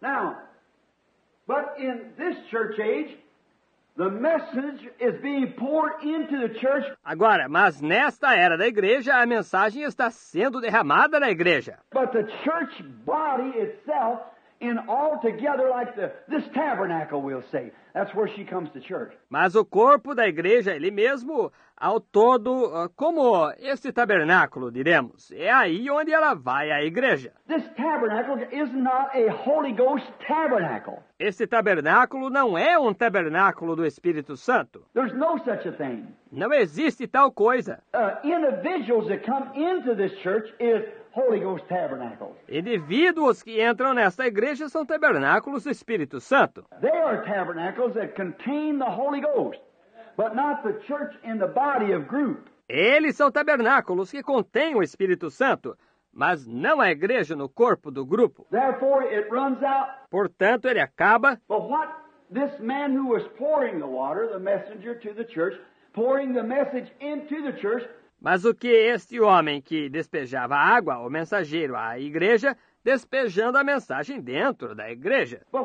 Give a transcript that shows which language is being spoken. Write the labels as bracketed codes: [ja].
[en] Now, but in this church age, the message is being poured into the church. [pt] Agora, mas nesta era da igreja, a mensagem está sendo derramada na igreja. [en] But the church body itself, in all together, like this tabernacle, we'll say. That's where she comes to church. [pt] Mas o corpo da igreja, ele mesmo, ao todo, como este tabernáculo, diremos, é aí onde ela vai à igreja. [en] This tabernacle is not a Holy Ghost tabernacle. [pt] Este tabernáculo não é um tabernáculo do Espírito Santo. [en] There's no such a thing. [pt] Não existe tal coisa. [en] Individuals that come into this church is Holy Ghost tabernacles. [pt] Indivíduos que entram nesta igreja são tabernáculos do Espírito Santo. [en] They are tabernacles that contain the Holy Ghost, but not the church in the body of group. [pt] Eles são tabernáculos que contêm o Espírito Santo, mas não a igreja no corpo do grupo. [en] Therefore, it runs out. [pt] Portanto, ele acaba. [en] But what this man who was pouring the water, the messenger to the church, pouring the message into the church. [pt] Mas o que este homem que despejava água, o mensageiro, à igreja, despejando a mensagem dentro da igreja?